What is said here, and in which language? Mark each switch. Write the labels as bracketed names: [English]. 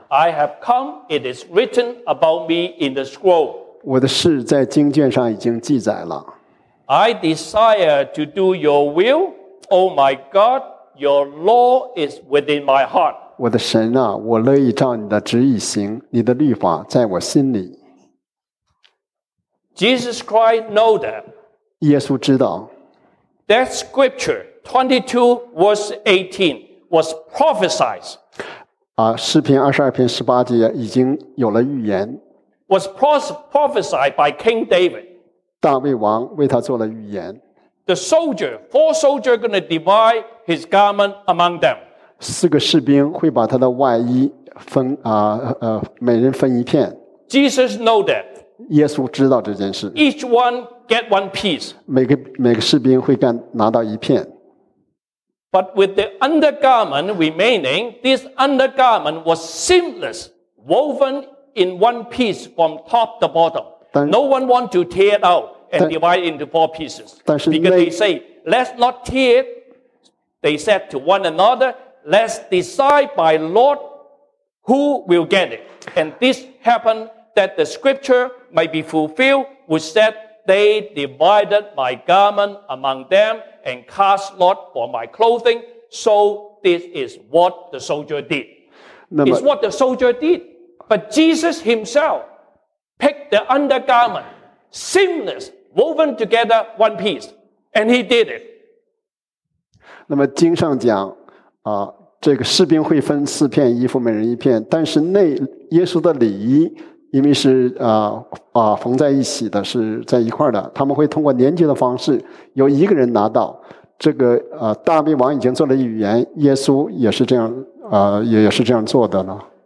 [English] I have come, it is written about me in the scroll. [Chinese] 我的事在经卷上已经记载了。 [English] I desire to do your will, oh my God, your law is within my heart. [Chinese] 我的神啊，我乐意照你的旨意行，你的律法在我心里。 [English] Jesus Christ know that. [Chinese] 耶稣知道。 [English] That scripture, 22 verse 18, was prophesied. [Chinese] 诗篇二十二篇十八节已经有了预言。 [English] Was prophesied by King David. [Chinese] 大卫王为他做了预言。 [English] The soldier, four soldiers gonna divide his garment among them. [Chinese] 四个士兵会把他的外衣分每人分一片。 [English] Jesus know that. [Chinese] 耶稣知道这件事。 [English] Each one get one piece. [Chinese] 每个士兵会拿到一片。 [English] But with the undergarment remaining, this undergarment was seamless, woven in one piece from top to bottom. No one wants to tear it out and divide it into four pieces. Because they say, let's not tear it. They said to one another, let's decide by Lord who will get it. And this happened that the scripture might be fulfilled, which said, they divided my garment among them. And cast lot for my clothing, so this is what the soldier did. It's what the soldier did. But Jesus himself picked the undergarment, seamless, woven together one piece, and he did it. [Chinese] 那么经上讲，这个士兵会分四片衣服，每人一片。但是内耶稣的里衣，因为是缝在一起的，是在一块的，他们会通过连接的方式，由一个人拿到。这个大卫王已经做了预言，耶稣也是这样也是这样做的呢。